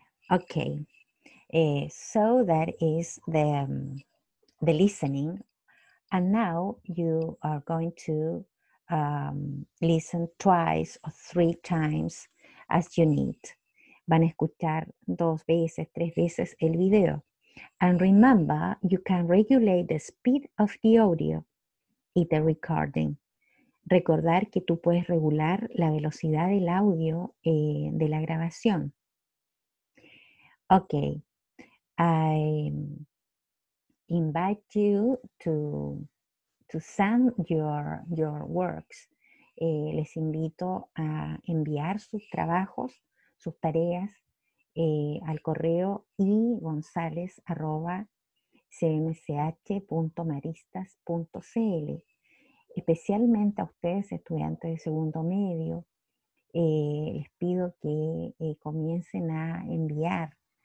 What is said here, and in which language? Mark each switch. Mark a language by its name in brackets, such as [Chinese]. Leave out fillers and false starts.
[English] Okay, so that is the listening. And now you are going to listen twice or three times as you need. [Spanish] Van a escuchar dos veces, tres veces el video. [English] And remember, you can regulate the speed of the audio y the recording. [Spanish] Recordar que tú puedes regular la velocidad del audio de la grabación. [English] Okay, I invite you to send your works. [Spanish] Les invito a enviar sus trabajos, sus tareas al correo igonzalez@cmsh.maristas.cl. Especialmente a ustedes, estudiantes de segundo medio, les pido que comiencen a enviar.